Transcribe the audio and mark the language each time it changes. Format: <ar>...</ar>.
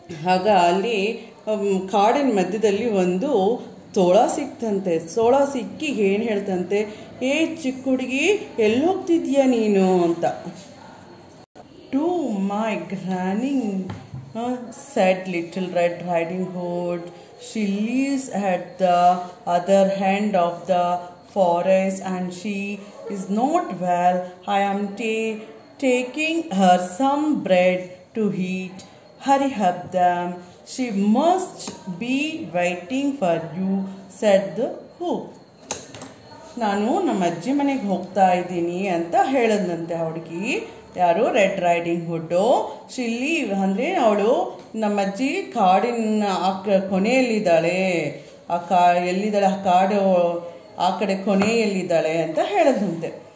<kn>ಆಗ ಅಲ್ಲಿ ಕಾಡಿನ ಮಧ್ಯದಲ್ಲಿ ಒಂದು ತೋಳ ಸಿಕ್ತಂತೆ. ತೋಳ ಸಿಕ್ಕಿ ಏನು ಹೇಳ್ತಂತೆ, "ಏ ಚಿಕ್ಕ ಹುಡುಗಿ, ಎಲ್ಲಿ ಹೋಗ್ತಿದ್ಯ ನೀನು?" ಅಂತ.</kn> <en>"To my granny," said Little Red Riding Hood. "She lives at the other end of the forest and she is not well. I am taking her some bread to eat. Hurry up them. She must be waiting for you," said the hook.</en> <kn>"ನಾನು ನಮ್ಮ ಅಜ್ಜಿ ಮನೆಗೆ ಹೋಗ್ತಾ ಇದ್ದೀನಿ ಅಂತ ಹೇಳದಂತೆ ಅವಳಿಗೆ. ಯಾರು red riding hood ಶಿಲ್ಲಿ ಅಂದರೆ ಅವಳು ನಮ್ಮ ಅಜ್ಜಿ ಕಾಡಿನ ಕೊನೆಯಲ್ಲಿದ್ದಾಳೆ, ಎಲ್ಲಿದ್ದಾಳೆ ಆ ಕಾಡು ಆ ಕಡೆ ಕೊನೆಯಲ್ಲಿದ್ದಾಳೆ ಅಂತ ಹೇಳದಂತೆ.</kn>